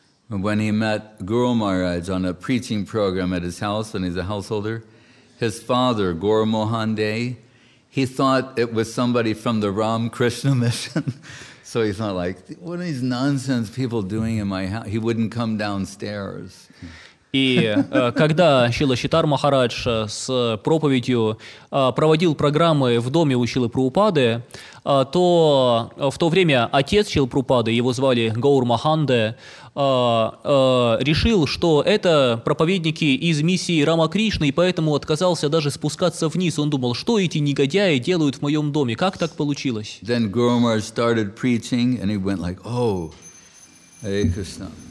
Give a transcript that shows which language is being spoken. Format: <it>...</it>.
<en>When he met Guru Maharaj on a preaching program at his house, when he's a householder, his father, Guru Mohan Day, he thought it was somebody from the Ramakrishna mission. So he thought, like, what are these nonsense people doing in my house? He wouldn't come downstairs.</en> <ru>И когда Шрила Шитар Махарадж с проповедью проводил программы в доме у Шрилы Прабхупады, то в то время отец Шрилы Прабхупады, его звали Гаур Маханде, решил, что это проповедники из миссии Рамакришны, и поэтому отказался даже спускаться вниз. Он думал: что эти негодяи делают в моем доме? Как так получилось?</ru> <en>Then Guru Maharaj started preaching, and he went like, "Oh, Hare Krishna."</en>